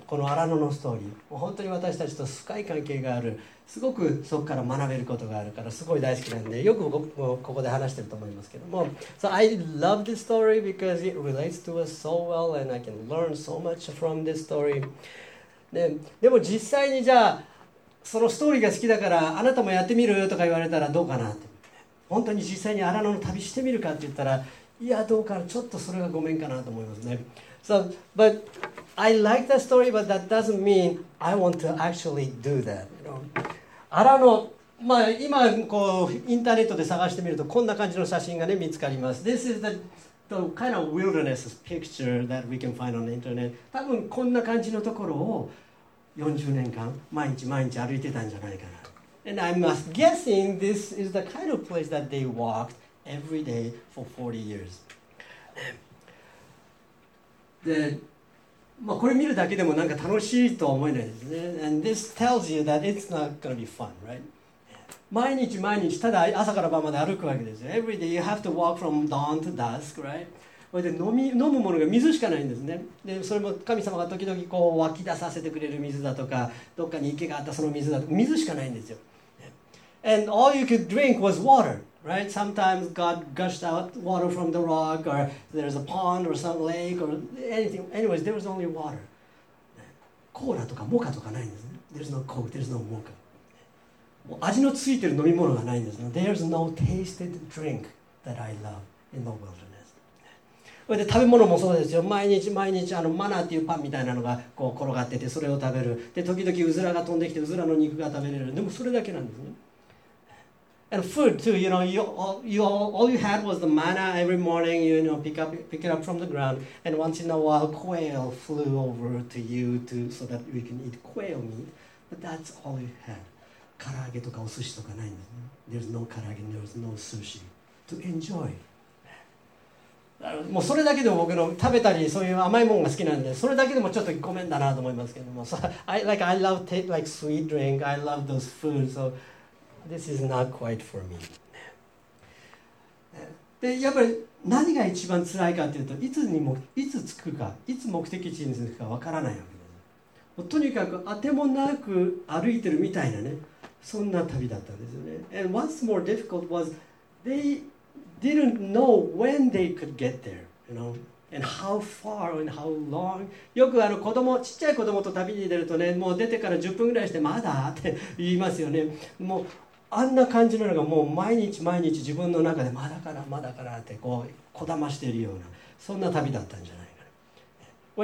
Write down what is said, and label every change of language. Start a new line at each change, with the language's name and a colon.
Japanese: このアラノのストーリー本当に私たちと深い関係があるすごくそこから学べることがあるからすごい大好きなんでよく僕もここで話してると思いますけども
English: So I love this story because it relates to us so well and I can learn so much from this story。
Japanese: でも実際にじゃあそのストーリーが好きだからあなたもやってみるとか言われたらどうかなって本当に実際にアラノの旅してみるかって言ったらいやどうかなちょっとそれがごめんかなと思いますね。
English: So, but I like the story but that doesn't mean I want to actually do that you know?
Japanese: アラノ、まあ、今こうインターネットで探してみるとこんな感じの写真がね見つかります。
English: This is the kind of wilderness picture that we can find on the internet。
Japanese: 多分こんな感じのところを40年間毎日毎日歩いてたんじゃないかな。
English: And I'm guessing this is the kind of place that they walked every day for 40 years。
Japanese: で、まあ、これ見るだけでもなんか楽しいと思えないですね。
English: And this tells you that it's not going to be fun, right?
Japanese: 毎日毎日ただ朝から晩まで歩くわけですよ。
English: Every day you have to walk from dawn to dusk, right?
Japanese: で 飲むものが水しかないんですね。でそれも神様が時々こう湧き出させてくれる水だとかどっかに池があったその水だとか水しかないんですよ。
English: And all you could drink was water, right? Sometimes God gushed out water from the rock or there's a pond or some lake or anything. Anyways, there was only water.
Japanese: コーラとかモカとかないんですね。
English: There's no coke, there's no mocha.
Japanese: 味のついてる飲み物がないんですね。
English: There's no tasted drink that I love in the wilderness.
Japanese: で食べ物もそうですよ。毎日毎日あのマナーっていうパンみたいなのがこう転がっててそれを食べる。で時々うずらが飛んできてうずらの肉が食べれる。でもそれだけなんですね。
English: And food too, you know, all you had was the manna every morning, you know, pick it up from the ground. And once in a while, quail flew over to you too, so that we can eat quail meat. But that's all you had.
Japanese: 唐揚げとかお寿司とかないんですね。
English: There's no 唐揚げ、there's no sushi to enjoy.
Japanese: もうそれだけでも僕の食べたりそういう甘いものが好きなんでそれだけでもちょっとごめんだなと思いますけども、
English: so I love taste like sweet drink, I love those food, so this is not quite for me.
Japanese: でやっぱり何が一番辛いかというといつ着くかいつ目的地に着くかわからないわけです。もうとにかく当てもなく歩いてるみたいなねそんな旅だったんですよね。
English: And what's more difficult was theydidn't know when they could get there, you know, and how far and how long.
Japanese: よくあの子供、ちっちゃい子供と旅に出るとね、もう出てから10分ぐらいしてまだって言いますよね。もうあんな感じなのがもう毎日毎日自分の中でまだかな、まだかなってこうこだましているようなそんな旅だったんじゃないかな。